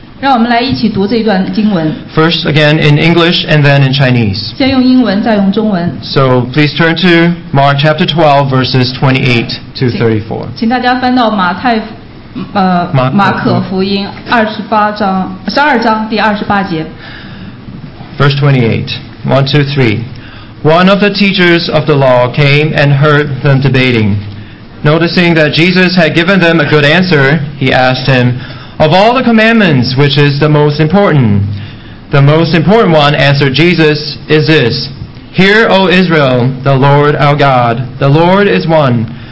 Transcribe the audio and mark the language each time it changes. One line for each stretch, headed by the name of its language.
Chinese: 让我们来一起读这段经文。
English: First, again, in English and then in Chinese.
Chinese: 先用英文，再用中文。
English: So please turn to Mark chapter 12, verses 28 to 34.
Chinese: 请大家翻到马可福音12章第28节。
English: Verse 28, 1, 2, 3. One of the teachers of the law came and heard them debating. Noticing that Jesus had given them a good answer, he asked him, Of all the commandments, which is the most important? The most important one, answered Jesus, is this. Hear, O Israel, the Lord our God, the Lord is one.